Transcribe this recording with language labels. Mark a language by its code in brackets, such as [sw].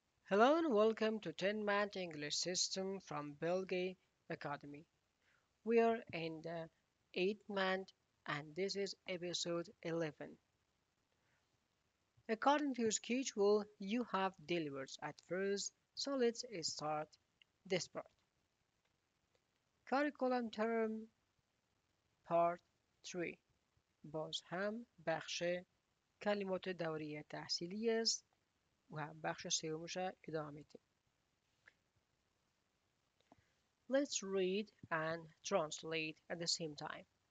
[en] Hello and welcome to 10 Minute English System from Belgae Academy. We are in the 8th month and this is episode 11. According to your schedule, you have deliveries at first, so let's start this part. Curriculum Term Part 3 [fa] باز هم بخش کلمات دوری تحصیلی است و بخش سومش ادامه میدیم. [en] Let's read and translate at the same time.